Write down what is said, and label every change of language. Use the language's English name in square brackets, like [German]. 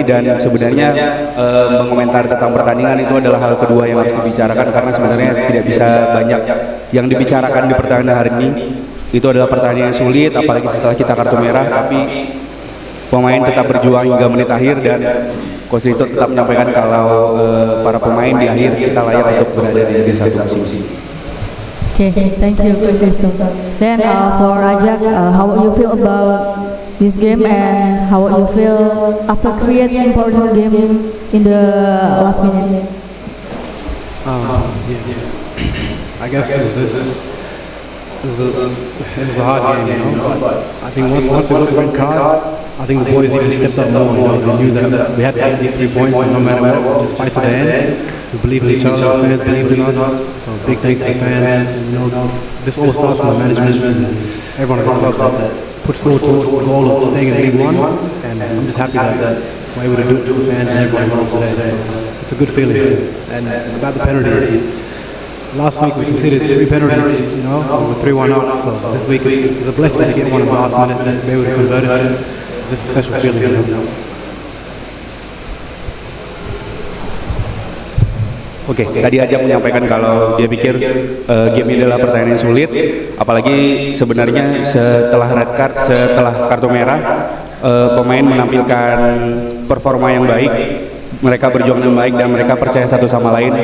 [Indonesian] Dan sebenarnya mengomentari tentang pertandingan itu adalah hal kedua yang harus dibicarakan, karena sebenarnya tidak bisa banyak yang dibicarakan di pertandingan hari ini. Itu adalah pertandingan yang sulit, apalagi setelah kita kartu merah, tapi pemain tetap berjuang hingga menit akhir, dan Coach Risto tetap menyampaikan kalau para pemain di akhir kita layak untuk berada di Liga 1 musim. [English] Okay, thank you, Coach Risto. Then, for Rajak, how you feel about this game, and how you feel after creating important game in the last minute? I guess this is a hard game, you know. But I think once we got the red card, I think the boys even stepped up more. You know, we knew that we had to have these 3 points, and no matter what, just fight to the end. We believe in each other, the fans believe in us. So big thanks to the fans. This all starts from the management and everyone at the club that puts forward towards the goal of staying in League One. And I'm just happy that we're able to do it to the fans and everyone involved today. So it's a good feeling. And about the penalties, last week we conceded 3 penalties, you know, with 3-1 up. So this week is a blessing to get one in the last minute and to be able to convert it. It's just a special feeling. [Indonesian] Okay, tadi Ajak menyampaikan kalau dia pikir game ini adalah pertandingan yang sulit, apalagi sebenarnya setelah red card, setelah kartu merah, pemain menampilkan performa yang baik, mereka berjuang dengan baik, dan mereka percaya satu sama lain.